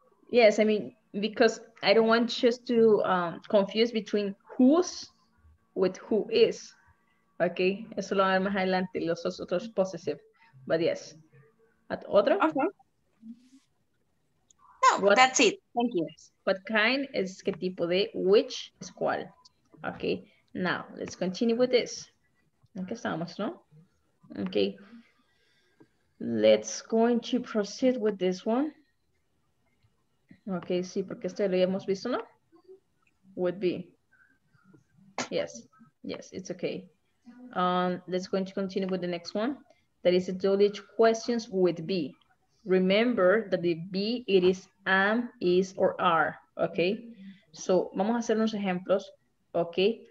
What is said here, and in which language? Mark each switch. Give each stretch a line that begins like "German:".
English: Yes, I mean, because I don't want just to confuse between who's with who is.
Spanish: Okay, eso lo haré más adelante, los otros possessive.
English: But yes. At otro? Okay. No, what, that's it. Thank you. What kind is que tipo de, which is cual. Okay, now let's continue with this.
Spanish: Aquí estamos, ¿no?
English: Okay. Let's going to proceed with this one.
Spanish: Okay, sí, porque este lo hemos visto, ¿no?
English: Would be. Yes, it's okay. Let's going to continue with the next one. That is the WH questions with be. Remember that the be, it is am, is, or are. Okay? So,
Spanish: vamos a hacer unos ejemplos.
English: Okay?